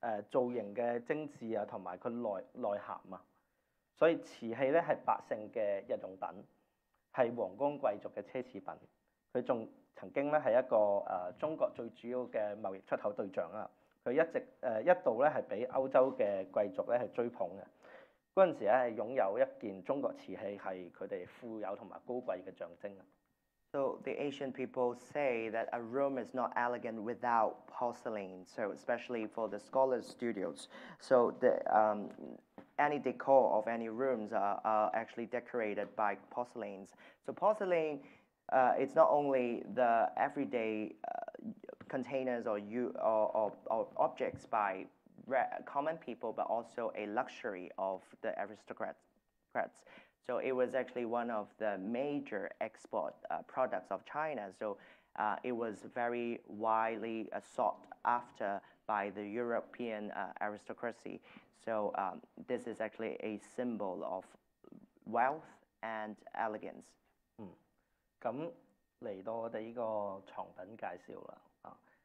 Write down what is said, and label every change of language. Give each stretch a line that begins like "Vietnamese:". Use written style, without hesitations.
Cantonese: 造型嘅精緻啊，同埋佢內涵啊，所以瓷器咧係百姓嘅日用品，係王公貴族嘅奢侈品。佢仲曾經咧係一個中國最主要嘅貿易出口對象啊。佢一直一度咧係俾歐洲嘅貴族咧係追捧嘅。嗰陣時咧係擁有一件中國瓷器係佢哋富有同埋高貴嘅象徵啊。
English: So the ancient people say that a room is not elegant without porcelain, so especially for the scholars' studios. So the any decor of any rooms are actually decorated by porcelains. So porcelain, it's not only the everyday containers or objects by common people, but also a luxury of the aristocrats. So it was actually one of the major export products of China. So it was very widely sought after by the European aristocracy. So this is actually a symbol of wealth and elegance.
Cantonese: 咁嚟到我哋呢個藏品介紹啦。